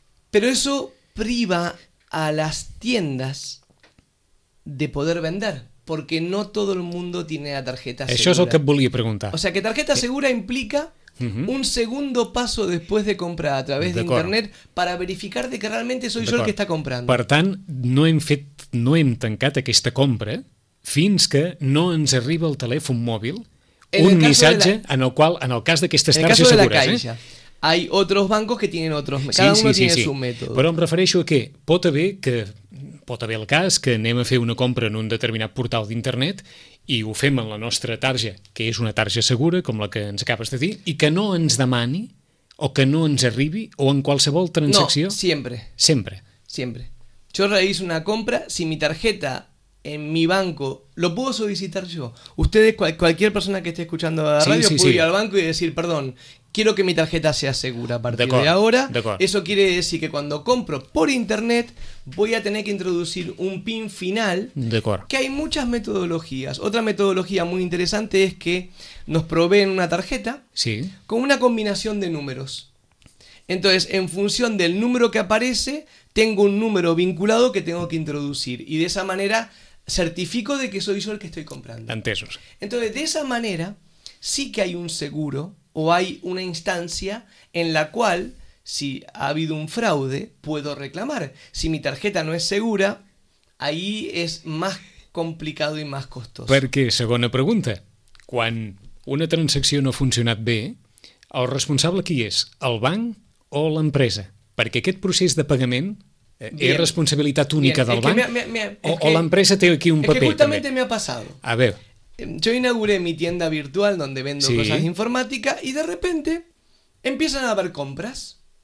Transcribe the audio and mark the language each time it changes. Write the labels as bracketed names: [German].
[Spanish] Pero eso priva a las tiendas de poder vender, porque no todo el mundo tiene la tarjeta segura. Eso es lo que volví a preguntar. O sea, que tarjeta segura implica... Uh-huh. Un segundo paso después de comprar a través de internet para verificar de que realmente soy yo el que está comprando. [Catalan] Per tant, no hem tancat aquesta compra fins que no ens arriba el telèfon mòbil un missatge en el qual, en el cas d'aquestes targetes segures... En el cas de la Caixa, [Spanish] hay otros bancos que tienen otros... Cada uno tiene su método. [Catalan] Però em refereixo a què? Pot haver el cas que anem a fer una compra en un determinat portal d'internet i ho fem en la nostra targeta, que és una targeta segura, com la que ens acabes de dir, i que no ens demani, o que no ens arribi, o en qualsevol transacció... No, sempre. Sempre. Sempre. [Spanish] Jo realizo una compra, si mi tarjeta en mi banco, lo puedo solicitar yo. Ustedes, cualquier persona que esté escuchando a la radio, puede ir al banco y decir, perdón, quiero que mi tarjeta sea segura a partir de ahora. Eso quiere decir que cuando compro por internet voy a tener que introducir un PIN final, que hay muchas metodologías. Otra metodología muy interesante es que nos proveen una tarjeta con una combinación de números. Entonces, en función del número que aparece, tengo un número vinculado que tengo que introducir. Y de esa manera certifico de que soy yo el que estoy comprando. [Catalan] Antesos. [Spanish] Entonces, de esa manera sí que hay un seguro o hay una instancia en la cual, si ha habido un fraude, puedo reclamar. Si mi tarjeta no es segura, ahí es más complicado y más costoso. [Catalan] Perquè, segona pregunta, quan una transacció no ha funcionat bé, el responsable qui és? El banc o l'empresa? Perquè aquest procés de pagament... [Spanish] Bien. ¿Es responsabilidad única del banco? ¿O la empresa tiene aquí un papel? Es que justamente me ha pasado. A ver. Yo inauguré mi tienda virtual donde vendo cosas informáticas y de repente empiezan a haber compras.